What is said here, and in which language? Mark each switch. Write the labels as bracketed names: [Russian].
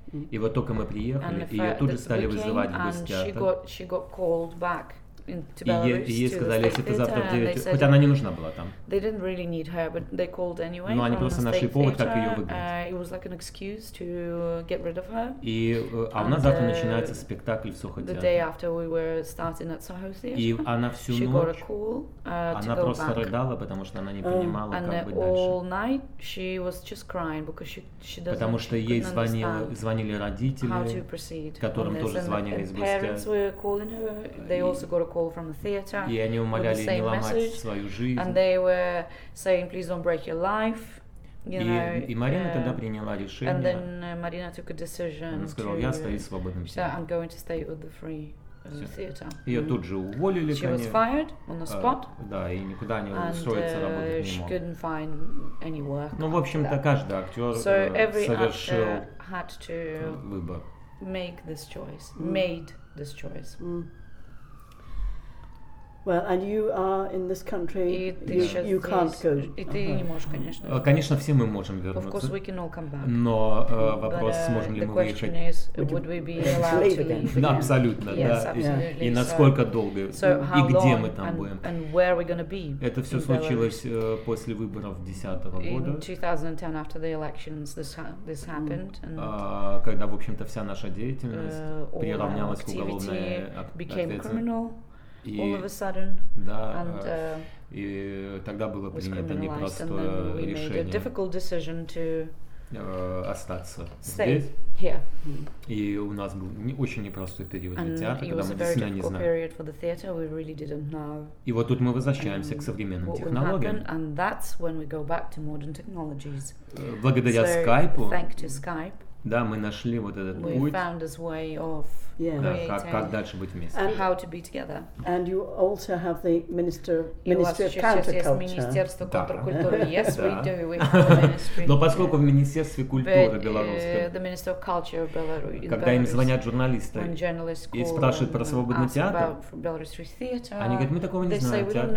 [Russian] И вот только мы приехали, и ее тут же стали вызывать в гостя. И ей сказали, если ты завтра в 9, хотя она не нужна была там. [English] They didn't really need her, but they called anyway. [Russian] Но они просто нашли повод, как ее выгнать. [English] It was like an excuse to get rid of her. [Russian] И а у нас завтра начинается спектакль в Сохо театре. [English] The day after we were starting at Soho Theatre. [Russian] И она всю ночь, она просто рыдала, потому что она не понимала, как быть дальше. [English] And all night she was just crying because she doesn't. [Russian] Потому что ей звонили родители, которым тоже звонили из гостя. [English] Parents were calling her. They also got call from the theater. [Russian] И они умоляли не ломать [English] message, [Russian] свою жизнь. [English] And they were saying, please don't break your life. [Russian] И Марина тогда приняла решение. [English] And then Marina took a decision. [Russian] Она сказала, я стою свободным. [English] So I'm going to stay with the free theater. [Russian] Ее тут же уволили. [English] She was fired on the spot. [Russian] Да, и никуда не устроиться работать не мог. [English] She couldn't find any work. [Russian] Ну, в общем-то, каждый актер совершил выбор. [English] Make this choice. Made this choice. Well, and you are in this country. You can't go. [Russian] Конечно. Конечно, все мы можем вернуться. [English] Of course, we can all come back. [Russian] Но вопрос, сможем ли мы уехать? [English] The question is, would we be allowed to leave again? [Russian] Абсолютно, да. [English] Yes, absolutely. [Russian] И насколько долго? И где мы там будем? [English] And where are we going to be? [Russian] Это все случилось после выборов 2010 года. [English] In 2010, after the elections, this happened. [Russian] Когда, в общем-то, вся наша деятельность приравнялась к уголовной ответственности. [English] И, all of a sudden, [Russian] да, [English] and, [Russian] и тогда было принято непростое решение. [English] We made a difficult decision to [Russian] остаться [English] stay [Russian] здесь. [English] Here. [Russian] И у нас был очень непростой период для театра, [English] and [Russian] когда мы действительно не знали. [English] Period for the theater. We really didn't know. [Russian] И вот тут мы возвращаемся к современным технологиям. [English] And that's when we go back to modern technologies. [Russian] Благодаря [English] so, Skype, thank to Skype, [Russian] да, мы нашли вот этот [English] we [Russian] путь. [English] Found this way of yeah, [Russian] как дальше быть вместе? [English] And how to be together? And you also have the Ministry of Counterculture. [Russian] Министерство контркультуры. [English] Yes, we do. We have the [Russian] Но поскольку в Министерстве культуры белорусском. [English] The Minister of Culture of Belarus. [Russian] Когда им звонят журналисты и спрашивают про свободный театр, они говорят, мы такого не знаем.